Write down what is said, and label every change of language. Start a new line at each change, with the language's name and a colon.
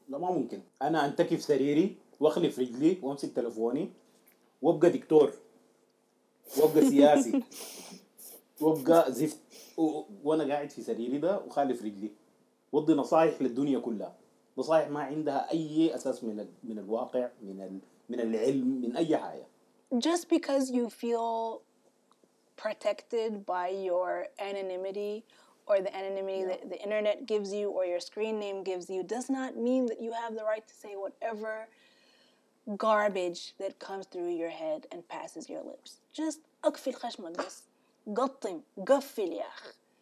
Arabic: لا ما ممكن أنا أنتكي في سريري وأخلي في رجلي وأمسك تلفوني وأبقى دكتور وأبقى سياسي وأبقى زفت وأنا قاعد في سريري ده وخالي في رجلي وأدي نصايح للدنيا كلها نصايح ما عندها أي أساس من الواقع من العلم من أي حاجة.
English: Just because you feel protected by your anonymity or the anonymity yeah. that the internet gives you or your screen name gives you does not mean that you have the right to say whatever garbage that comes through your head and passes your lips.
Arabic: Just أكفي الخشمك بس قطم قفل يا أخ.